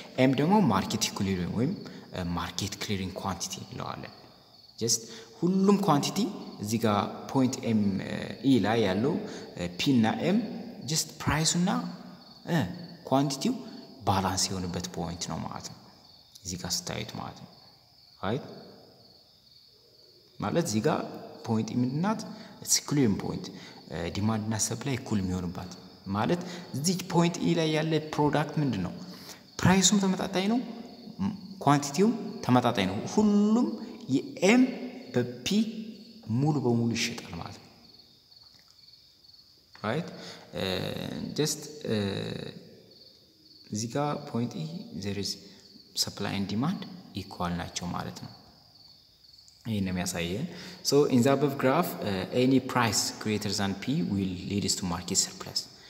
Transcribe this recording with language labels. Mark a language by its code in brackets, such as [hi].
[am] M ደግሞ market equilibrium ወይም market clearing quantity እንለዋለን. Just ሁሉም quantity እዚህ ጋር point M E ላይ ያለው P እና M just price እና quantity balance የሆነበት point ነው ማለት ነው. እዚህ ጋር ስታዩት ማለት ነው. ራይት ማለት እዚህ ጋር ፖይንት ምንድናት? ኢኩሊብሪየም ፖይንት ዲማንድ እና ሰፕላይ እኩል የሚሆንባት ማለት እዚህ ፖይንት ኢ ላይ ያለ ፕሮዳክት ምንድን ነው? ፕራይሱም ተመጣጣኝ ነው፣ ኳንቲቲውም ተመጣጣኝ ነው። ሁሉም የኤም በፒ ሙሉ በሙሉ ይሸጣል ማለት ነው። ራይት ጀስት እዚህ ጋር ፖይንት ኢ ዜር ኢዝ [en] supply and demand equal [am] ናቸው ማለት ነው. ይሄን ነው የሚያሳየን. [en] So in the above graph any price greater than P will lead us to market surplus.